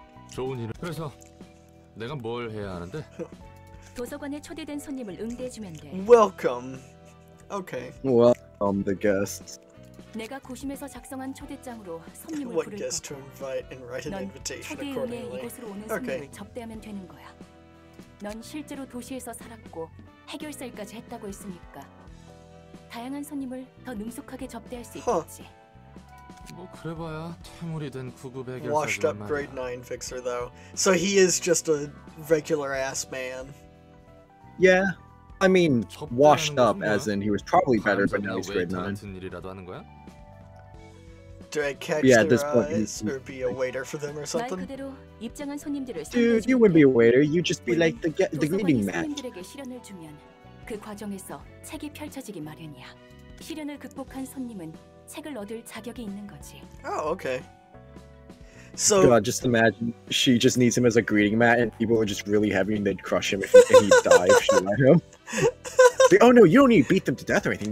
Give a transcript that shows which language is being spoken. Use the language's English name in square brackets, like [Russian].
[Korean] 좋은 일을 그래서 내가 뭘 해야 하는데? 도서관에 초대된 손님을 응대해주면 돼. [English] Welcome. Okay. Welcome the guests. [Korean] 내가 고심해서 작성한 초대장으로 손님을 부를 [English] What guest to invite and write an invitation accordingly? [Korean] 넌 초대 인해 이곳으로 오는 손님을 접대하면 되는 거야. 넌 실제로 도시에서 살았고 해결사일까지 했다고 했으니까 다양한 손님을 더 능숙하게 접대할 수 있겠지. 뭐 그래봐야 퇴물이 된 구급 해결사 [English] washed up grade 9 fixer though. So he is just a regular ass man. Yeah. I mean, washed up as in he was probably better but now he's grade 9. [Korean] 같은 일이라도 하는 거야? [English] Do I catch yeah, their this eyes point, or be a waiter for them or something? Dude, you wouldn't be a waiter. You'd just be like the greeting man. [Korean] 손님들에게 시련을 주면 그 과정에서 책이 펼쳐지기 마련이야. 시련을 극복한 손님은 책을 얻을 자격이 있는 거지. [English] Oh, okay. So, God, just imagine she just needs him as a greeting mat, and people are just really heavy, and they'd crush him if he'd die if she let him. Like, oh no, you don't need to beat them to death or anything.